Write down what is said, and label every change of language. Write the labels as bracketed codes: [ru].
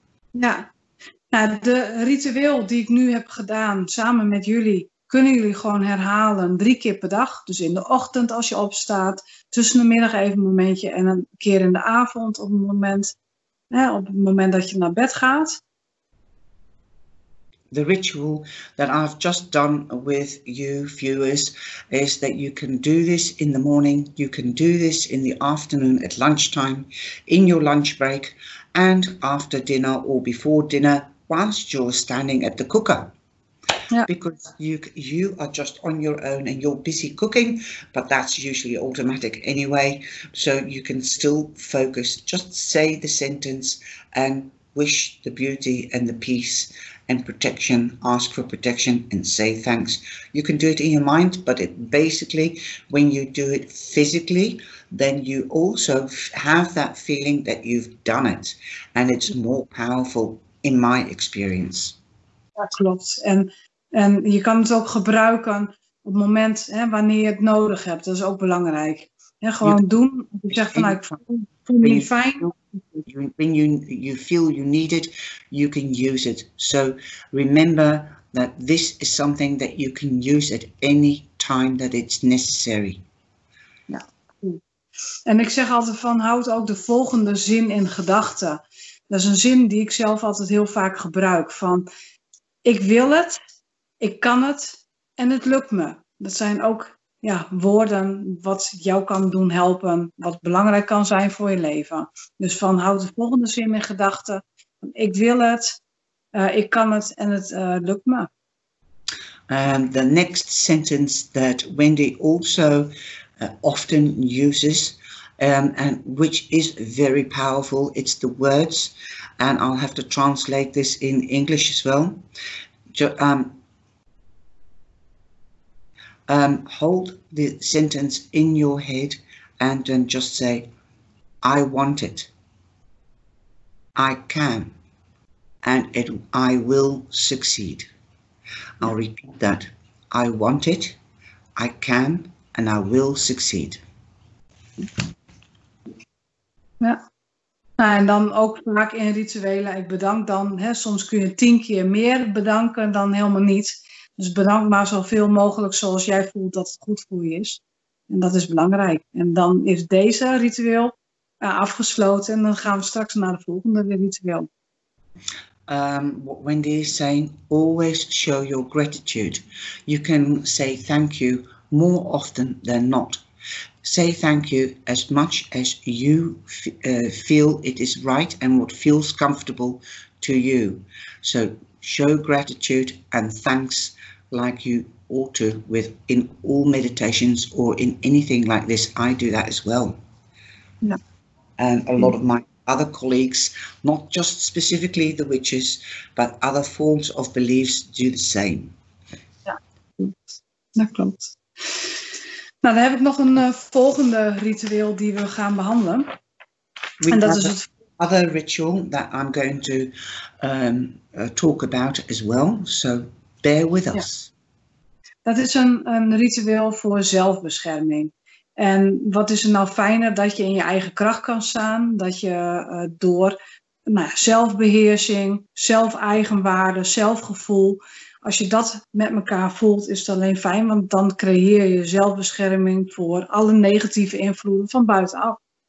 [nl] Ja, nou, de ritueel die ik nu heb gedaan samen met jullie kunnen jullie gewoon herhalen 3 keer per dag. Dus in de ochtend als je opstaat, tussen de middag even een momentje en een keer in de avond op het moment, hè, op het moment dat je naar bed gaat. [en] The ritual that I've just done with you viewers is that you can do this in the morning, you can do this in the afternoon at lunchtime, in your lunch break, and after dinner or before dinner, whilst you're standing at the cooker. Yeah. Because you are just on your own and you're busy cooking, but that's usually automatic anyway, so you can still focus. Just say the sentence and wish the beauty and the peace and protection, ask for protection and say thanks. You can do it in your mind, but it basically, when you do it physically, then you also have that feeling that you've done it, and it's more powerful in my experience. [nl] Dat klopt. En je kan het ook gebruiken op het moment, hè, wanneer je het nodig hebt. Dat is ook belangrijk. Ja, gewoon doen. Je zegt van, ik voel me fijn. [en] When you feel you need it, you can use it. So remember that this is something that you can use at any time that it's necessary. Ja. [nl] En ik zeg altijd van, houd ook de volgende zin in gedachten. Dat is een zin die ik zelf altijd heel vaak gebruik. Van, ik wil het, ik kan het en het lukt me. Dat zijn ook ja, woorden wat jou kan doen helpen, wat belangrijk kan zijn voor je leven. Dus van houd de volgende zin in gedachten. Ik wil het, ik kan het en het lukt me. [en] The next sentence that Wendy also often uses, and which is very powerful, it's the words, and I'll have to translate this in English as well. Hold the sentence in your head and then just say, I want it, I can, and I will succeed. I'll repeat that. I want it, I can, and I will succeed. [nl] Ja, nou, en dan ook vaak in rituelen, ik bedank dan, hè, soms kun je 10 keer meer bedanken dan helemaal niet. Dus bedank maar zoveel mogelijk zoals jij voelt dat het goed voor je is. En dat is belangrijk. En dan is deze ritueel afgesloten en dan gaan we straks naar de volgende ritueel. [en] What Wendy is saying, always show your gratitude. You can say thank you more often than not. Say thank you as much as you feel it is right and what feels comfortable to you. So show gratitude and thanks like you ought to with in all meditations or in anything like this. I do that as well. Yeah. And a lot of my other colleagues, not just specifically the witches, but other forms of beliefs do the same. Yeah, that klopt. [nl] Nou, dan heb ik nog een volgende ritueel die we gaan behandelen. [en] We [nl] en dat [en] have [nl] is het [en] other ritual that I'm going to talk about as well. So bear with us. Ja. [nl] Dat is een ritueel voor zelfbescherming. En wat is er nou fijner dat je in je eigen kracht kan staan, dat je door zelfbeheersing, zelfeigenwaarde, zelfgevoel. Als je dat met elkaar voelt, is het alleen fijn, want dan creëer je zelfbescherming voor alle negatieve invloeden van buitenaf.